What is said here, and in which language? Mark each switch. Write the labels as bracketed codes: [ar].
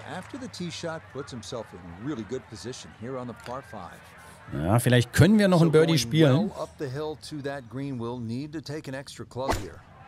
[en] After the tee shot, puts himself in really good position here on the par 5. [de] Ja, vielleicht können wir noch ein Birdie spielen. [en] Well up the hill to that green, we'll need to take an extra club here.